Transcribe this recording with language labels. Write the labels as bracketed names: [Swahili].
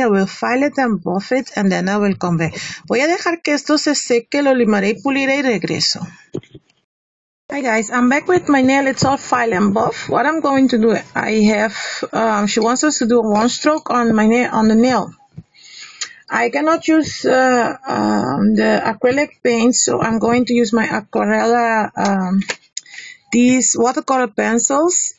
[English] I will file it and buff it, and then I will come back. [Spanish] Voy a dejar que esto se seque, lo limaré y puliré y regreso. [English] Hi guys, I'm back with my nail. It's all file and buff. What I'm going to do, I have, she wants us to do one stroke on my nail, on the nail. I cannot use the acrylic paint, so I'm going to use my Aquarela, these watercolor pencils.